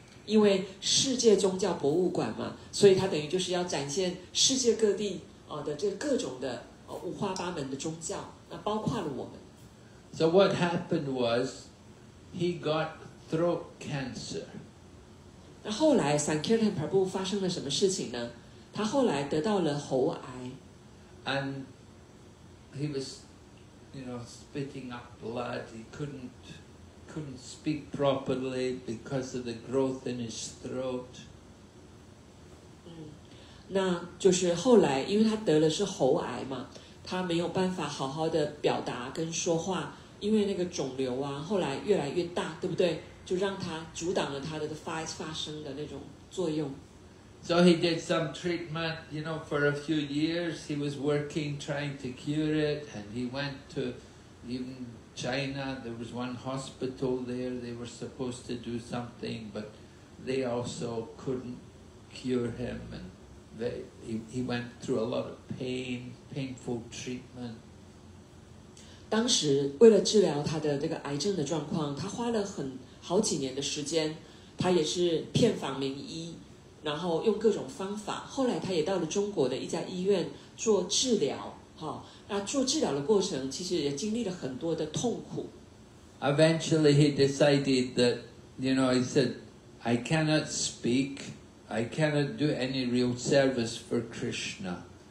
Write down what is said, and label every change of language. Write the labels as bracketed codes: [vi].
[zh] 因为世界宗教博物馆嘛，所以他等于就是要展现世界各地的这各种的五花八门的宗教，那包括了我们。 [en] So what happened was, he got throat cancer. [zh] 那后来 Sankirtan Prabhu 发生了什么事情呢？他后来得到了喉癌。 [en] And he was, you know, spitting up blood. He couldn't speak properly because of the growth in his throat. [zh] 那就是后来，因为他得了是喉癌嘛，他没有办法好好的表达跟说话，因为那个肿瘤啊，后来越来越大，对不对？就让他阻挡了他的发生的那种作用。 [en] So he did some treatment, you know, for a few years. He was working, trying to cure it, and he went to even China. There was one hospital there. They were supposed to do something, but they also couldn't cure him. And he went through a lot of painful treatment. [zh] 当时为了治疗他的这个癌症的状况，他花了好几年的时间，他也是遍访名医，然后用各种方法。后来他也到了中国的一家医院做治疗，那做治疗的过程其实也经历了很多的痛苦。 [en] Eventually, he decided that, you know, he said, "I cannot speak, I cannot do any real service for Krishna."